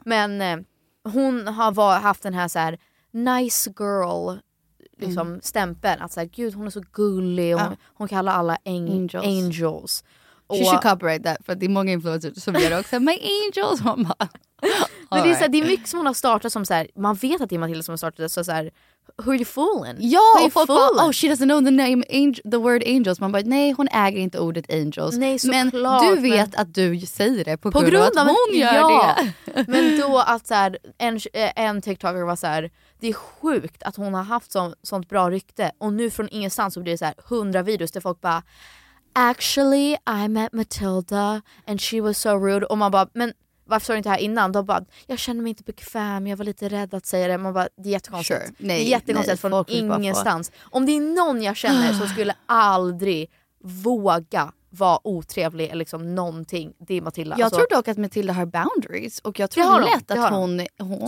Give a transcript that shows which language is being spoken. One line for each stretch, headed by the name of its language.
Swedish: Men hon har haft den här så här
English: nice girl
Swedish: liksom stämpeln, att så här, gud, hon är så gullig och hon kallar alla angels. Och,
English: she should copyright that,
Swedish: för det är många influencers som gör också
English: my angels,
Swedish: mamma. Men det är så här, det är mycket som hon har startat som så här, man vet att det är Matilda som har startat det, så här,
English: who are you fooling?
Swedish: Ja,
English: who are you fooling? Oh, she doesn't know the name the word angels.
Swedish: Man bara, nej, hon äger inte ordet angels. Nej, så men klart, du vet, men att du säger det på grund av att hon gör det. Men då att så här, en TikToker var så här, det är sjukt att hon har haft sånt bra rykte och nu från ingenstans så blir det så här 100 videos där folk bara,
English: actually, I met Matilda and she was so rude.
Swedish: Och man bara, men varför sa du inte här innan? De bara, jag kände mig inte bekväm, jag var lite rädd att säga det. Man bara, det är jättekonstigt.
English: Sure.
Swedish: Nej, det är jättekonstigt nej, från ingenstans. Om det är någon jag känner som skulle aldrig våga var otrevlig eller liksom någonting, det är Matilda. Jag tror dock att Matilda har boundaries och jag tror hon lätt att hon,